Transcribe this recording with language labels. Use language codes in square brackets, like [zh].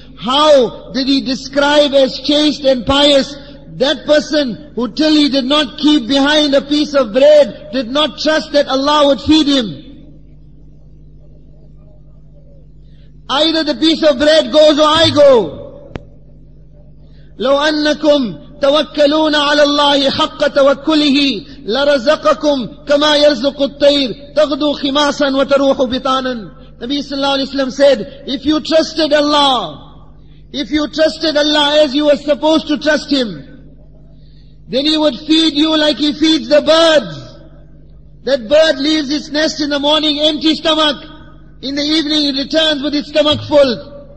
[en] How did he describe as chaste and pious that person who till he did not keep behind a piece of bread, did not trust that Allah would feed him? Either the piece of bread goes or I go. [ar] لو أنكم توكلون على الله حق توكله لرزقكم كما يرزق الطير تغدو خماسا وتروح بطانا. [en] Nabi sallallahu alayhi wa sallam said, if you trusted Allah, if you trusted Allah as you were supposed to trust Him, then He would feed you like He feeds the birds. That bird leaves its nest in the morning empty stomach. In the evening it returns with its stomach full.